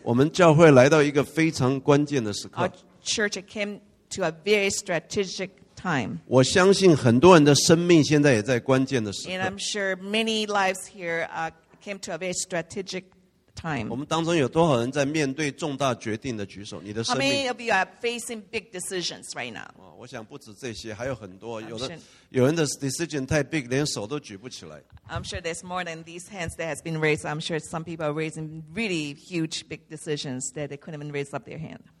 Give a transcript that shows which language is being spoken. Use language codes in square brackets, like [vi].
[zh] 我们教会来到一个非常关键的时刻。 [en] Church came to a very strategic time. [zh] 我相信很多人的生命现在也在关键的时刻。 [en] And I'm sure many lives here came to a very strategic time. [zh] 我们当中有多少人在面对重大决定的举手？你的生命。 [en] How many of you are facing big decisions right now? [zh] 我想不止这些，还有很多。有人的decision太big， 连手都举不起来。 [en] I'm sure there's more than these hands that has been raised. I'm sure some people are raising really huge, big decisions that they couldn't even raise up their hand.